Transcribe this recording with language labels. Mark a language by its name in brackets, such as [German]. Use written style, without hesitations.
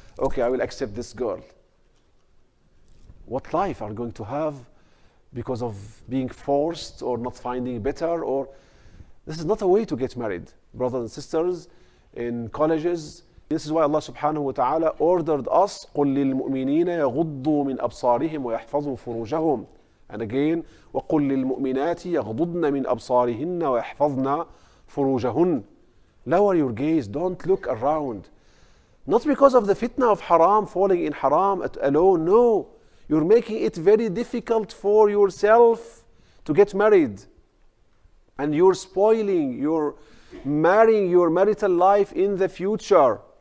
[English] Okay, I will accept this girl. What life are you going to have because of being forced or not finding better? Or this is not a way to get married, brothers and sisters, in colleges. This is why [Arabic] Allah subhanahu wa ta'ala [English] ordered us, [Arabic] قُلْ لِلْمُؤْمِنِينَ يَغُضُّوا مِنْ أَبْصَارِهِمْ وَيَحْفَظُوا فُرُوجَهُمْ. [English] And again, [Arabic] وَقُلْ لِلْمُؤْمِنَاتِ يَغْضُضْنَ مِنْ أَبْصَارِهِنَّ وَيَحْفَظْنَا فُرُوجَهُنَّ. [English] Lower your gaze, don't look around. Not because of the fitna of haram, falling in haram alone, no. You're making it very difficult for yourself to get married. And you're spoiling, you're marrying your marital life in the future.